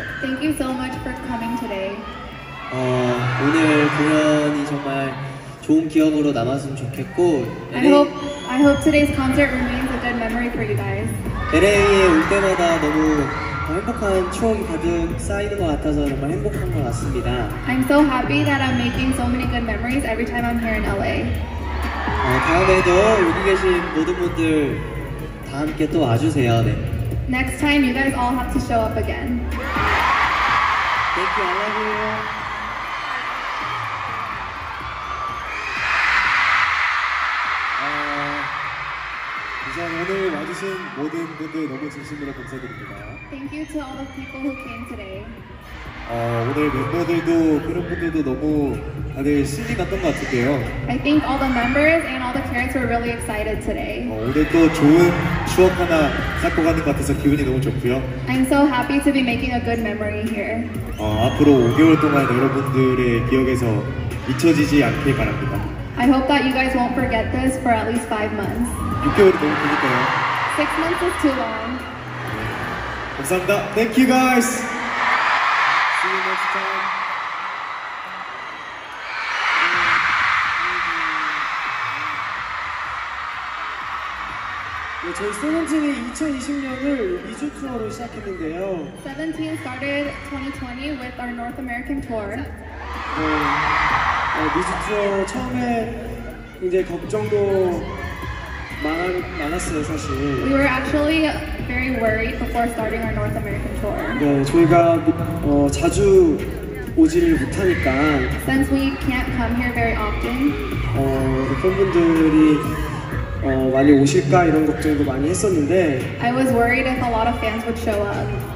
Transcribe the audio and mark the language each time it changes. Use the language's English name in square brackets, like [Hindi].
[English] Thank you so much for coming today. [Korean] 오늘 공연이 정말 좋은 기억으로 남았으면 좋겠고. [English] I hope today's concert remains a good memory for you guys. [Korean] LA에 올 때마다 너무 행복한 추억이 가득 쌓이는 것 같아서 정말 행복한 것 같습니다. [English] I'm so happy that I'm making so many good memories every time I'm here in LA. [Korean] 다음에도 여기 계신 모든 분들 다 함께 또 와주세요. 네. [English] Next time you guys all have to show up again. Thank you, I love you. Thank you to all the people who came today. [Korean] 오늘 멤버들도 그런 분들도 너무 다들 신이 났던 것 같은데요. [English] I think all the members and all the parents were really excited today. [Korean] 오늘 또 좋은 추억 하나 쌓고 가는 것 같아서 기분이 너무 좋고요. [English] I'm so happy to be making a good memory here. [Korean] 앞으로 5개월 동안 여러분들의 기억에서 잊혀지지 않길 바랍니다. [English] I hope that you guys won't forget this for at least 5 months. [Korean] 6개월이 너무 길니까요. [English] 6 months is too long. [Korean] 감사합니다. [English] Thank you, guys. See you next time. [Korean] 네, 저희 세븐틴이 2020년을 2주 투어로 시작했는데요. [English] Seventeen started 2020 with our North American tour. [Korean] 네, 2주 투어 처음에 이제 걱정도 많았어요, 사실. [English] We were actually very worried before starting our North American tour. [Korean] 네, 저희가 자주 오지를 못하니까. [English] Since we can't come here very often. [Korean] 팬분들이 많이 오실까 이런 걱정도 많이 했었는데. [English] I was worried if a lot of fans would show up.